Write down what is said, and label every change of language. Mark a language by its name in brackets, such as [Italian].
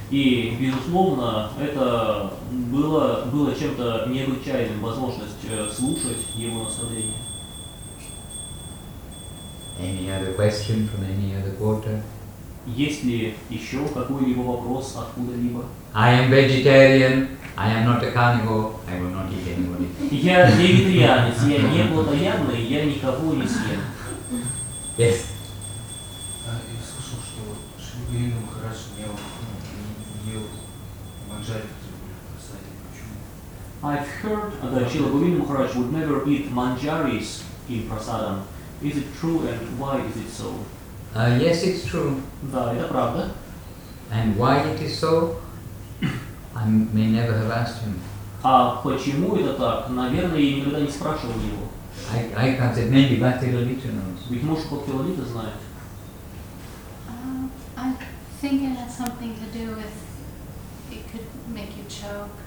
[Russian] И, безусловно, это было чем-то необычайным, возможность слушать его наставления. [English] Any other question from any other quarter? [Russian] Есть ли еще какой-либо вопрос откуда-либо? [English] I am vegetarian, I am not a carnivore, I will not eat anybody. [Russian] Я вегетарианец, я не плотоядный, я никого не съем. [English] Yes. [Russian] Я слышал, что Шрилу Махарадж не ел манджари, почему? [English] I've heard that Шрилу Махарадж would never eat manjaris in prasadam. Is it true and why is it so? Yes, it's true. [Russian] Да, это правда. [English] And why it is so? I may never have asked him. [Russian] А почему это так? Наверное, я никогда не спрашивал его. [English] I can't say, maybe Bhakti Lalita knows. [Russian] Ведь может Бхакти Лалита знает. [English] I think it has something to do with it could make you choke.